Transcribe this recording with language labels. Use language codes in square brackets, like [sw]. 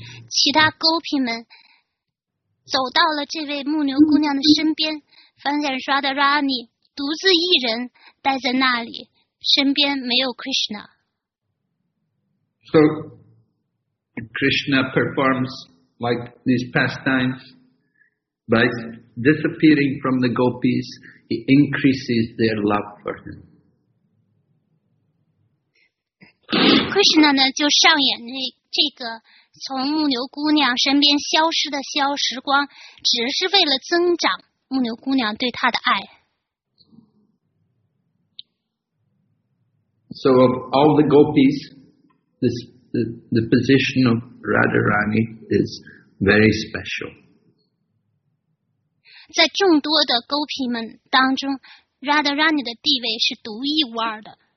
[zh] 其他 gopi 们走到了这位牧牛姑娘的身边，发现 Radharani 独自一人待在那里，身边没有 Krishna. [en] So Krishna performs like these pastimes, By disappearing from the gopis, he increases their love for him. [zh] Krishna 呢就上演那这个从牧牛姑娘身边消失的消时光，只是为了增长牧牛姑娘对他的爱。 [en] So of all the gopis, the position of Radharani is very special. [zh] 在众多的勾皮们当中， Radharani 的地位是独一无二的。